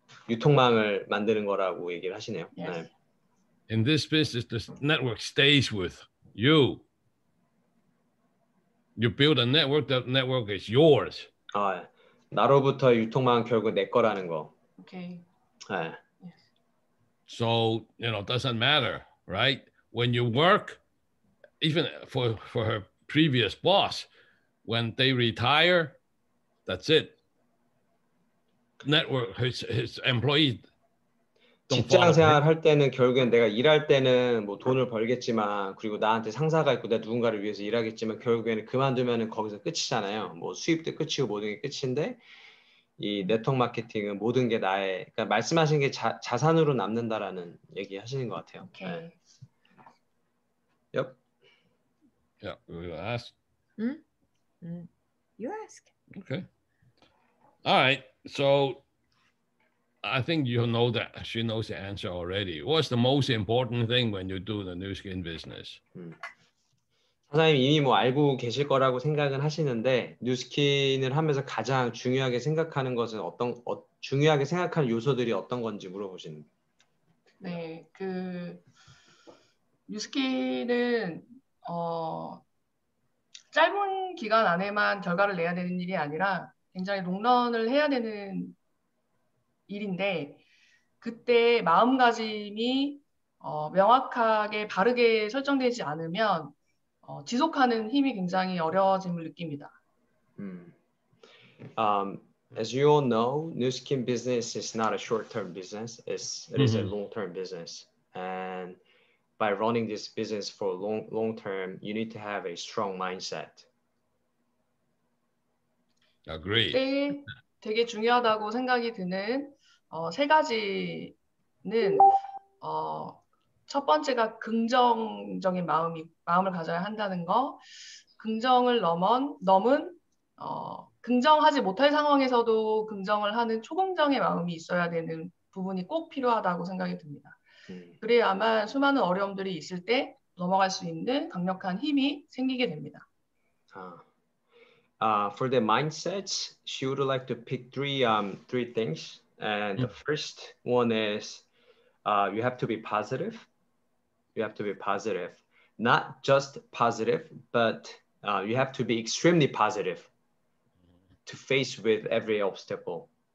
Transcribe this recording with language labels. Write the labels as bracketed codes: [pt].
[ko] 유통망을 만드는 거라고 얘기를 하시네요. [en] Yes. [ko] 네. [en] In this business, the network stays with you. You build a network, that network is yours. [ko] 아, 나로부터 유통망 결국 내 거라는 거. [en] Okay. [ko] 네. [en] Yes. So, you know, doesn't matter, right? When you work, even for her previous boss, when they retire, that's it. Network, his employees. [ko] 직장생활 할 때는 결국엔 내가 일할 때는 뭐 돈을 벌겠지만 그리고 나한테 상사가 있고 내가 누군가를 위해서 일하겠지만 결국에는 그만두면은 거기서 끝이잖아요. 뭐 수입도 끝이고 모든 게 끝인데 이 네트워크 마케팅은 모든 게 나의 그러니까 말씀하신 게 자산으로 남는다라는 얘기 하시는 것 같아요. [en] 오케이. [ko] 네. [en] Yep. Yeah, we'll ask. You ask. Okay. All right. So I think you know that she knows the answer already. What's the most important thing when you do the new skin business? [ko] 사장님 이미 뭐 알고 계실 거라고 생각은 하시는데 new skin을 하면서 가장 중요하게 생각하는 것은 어떤 중요하게 생각하는 요소들이 어떤 건지 물어보시는. 네, 그 new skin은 짧은 기간 안에만 결과를 내야 되는 일이 아니라 굉장히 롱런을 해야 되는 일인데 그때 마음가짐이 명확하게 바르게 설정되지 않으면 지속하는 힘이 굉장히 어려워짐을 느낍니다. [en] As you all know, new skin business is not a short-term business. It is a long-term business. And by running this business for long term, you need to have a strong mindset. Agree. [ko] 네, 되게 중요하다고 생각이 드는 세 가지는 첫 번째가 긍정적인 마음을 가져야 한다는 거. 긍정을 넘은 긍정하지 못할 상황에서도 긍정을 하는 초긍정의 마음이 있어야 되는 부분이 꼭 필요하다고 생각이 듭니다. 그래야만 수많은 어려움들이 있을 때 넘어갈 수 있는 강력한 힘이 생기게 됩니다. [en] For the mindsets, she would like to pick three things. And the first one is you have to be positive. you have to be positive. Not just positive, but you have to be extremely positive to face with every obstacle.